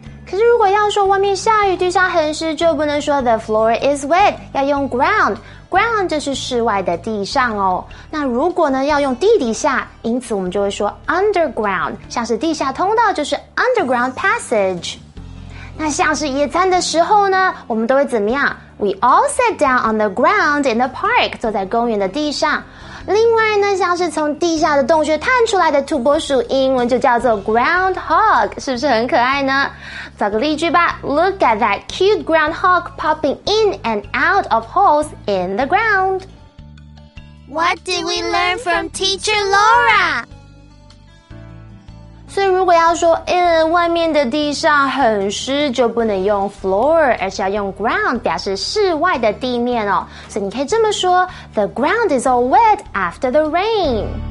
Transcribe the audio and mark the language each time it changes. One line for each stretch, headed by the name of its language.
Chinese: 可是如果要说外面下雨地上很湿就不能说
English: the floor is wet
Chinese: 要用 ground ground 就是室外的地上哦那如果呢要用地底下因此我们就会说 underground 像是地下通道就是 underground passage 那像是野餐的时候呢我们都会怎么样
English: We all sat down on the ground in the park,
Chinese: 坐在公园的地上。另外呢，像是从地下的洞穴探出来的土拨鼠，英文就叫做 groundhog, 是不是很可爱呢？造个例句吧。
English: Look at that cute groundhog popping in and out of holes in the ground. What did we learn from teacher Laura?
Chinese: 所以如果要说外面的地上很湿就不能用 floor 而是要用 ground 表示室外的地面哦所以你可以这么说
English: The ground is all wet after the rain